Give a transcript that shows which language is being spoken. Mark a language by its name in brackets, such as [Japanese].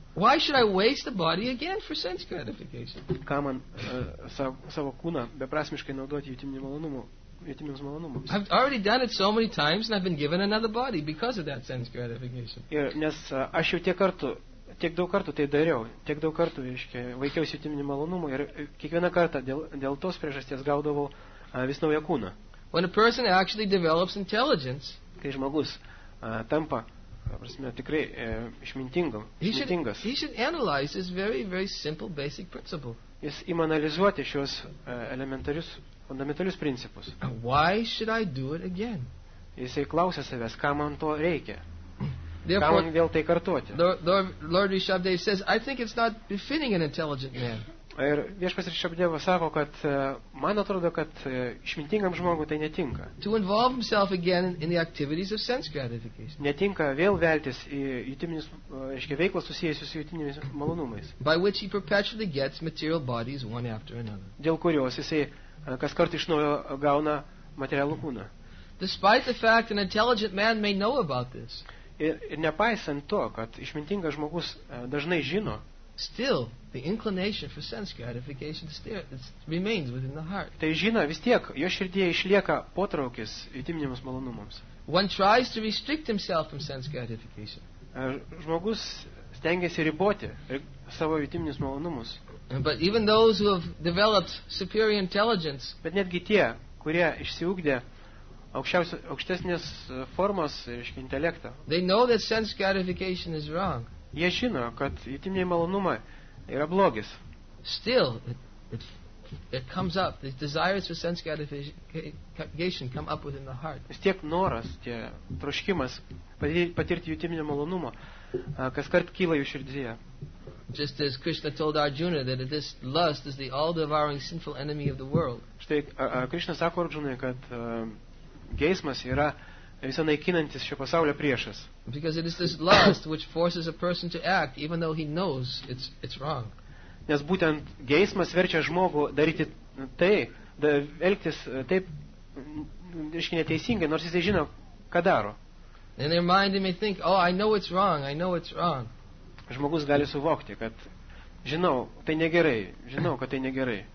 [English] Why should I waste the body again for sense gratification? [Lithuanian] Ką man savo kūną beprasmiškai naudoti jutiminius malonumus. [English] I've already done it so many times and I've been given another body because of that sense gratification. [Lithuanian] Ir nes aš jau tiek daug kartų tai dariau, tiek daug kartų, reiškia, vaikiausi jutiminių malonumų ir kiekvieną kartą dėl tos priežasties gaudavau vis naują kūną. [English] When a person actually develops intelligence, [Lithuanian] kai žmogus tampa, prasme, tikrai išmintingas. [English] He should analyze this very, very simple basic principle. [Lithuanian] Jis ima analizuoti šios elementarius, fundamentalius principus. [English] Why should I do it again? [Lithuanian] Jisai klausia savęs, ką man to reikia. Ką man vėl tai kartuoti. [English] Lord Rishabhdev says, I think it's not befitting an intelligent man. [Lithuanian] Ir viešpats Rishabhdeva sako, kad man atrodo, kad išmintingam žmogui tai netinka. [English] To involve himself again in the activities of sense gratification. [Lithuanian] Netinka vėl veltis į jutiminius, reiškia, veiklas susijęsius su jutiminiais malonumais. [English] By which he perpetually gets material bodies one after another. [Lithuanian] Dėl kurios jisai kas kart iš naujo gauna materialų kūną. [English] Despite the fact an intelligent man may know about this. [Lithuanian] Ir nepaisant to, kad išmintingas žmogus dažnai žino, [English] still the inclination for sense gratification remains within the heart. [Lithuanian] Tai žino vis tiek, jo širdyje išlieka potraukis jutiminiams malonumams. [English] One tries to restrict himself from sense gratification. [Lithuanian] Žmogus stengiasi riboti savo jutiminius malonumus. [English] But even those who have developed superior intelligence, [Lithuanian] bet netgi tie, kurie išsiugdė aukštesnės formos, reiškia, intelekto, [English] they know that sense gratification is wrong. [Lithuanian] Jie žino, kad jutiminiai malonumai yra blogis. [English] Still, it it comes up. The desires for sense gratification come up within the heart. [Lithuanian] Vis tiek noras, tie troškimas patirti jutiminio malonumo, kaskart kyla jų širdyje. [English] Just as Krishna told Arjuna that this lust is the all-devouring sinful enemy of the world. [Lithuanian] Štai Krishna sako Arjunai, kad geismas yra visą naikinantis šio pasaulio priešas. [English] Because it is this lust which forces a person to act even though he knows it's wrong. [Lithuanian] Nes būtent geismas verčia žmogų daryti tai, elgtis taip, reiškia, neteisingai, nors jisai žino, ką daro. [English] In their mind they may think, oh, I know it's wrong, I know it's wrong. [Lithuanian] Žmogus gali suvokti, kad žinau, kad tai negerai.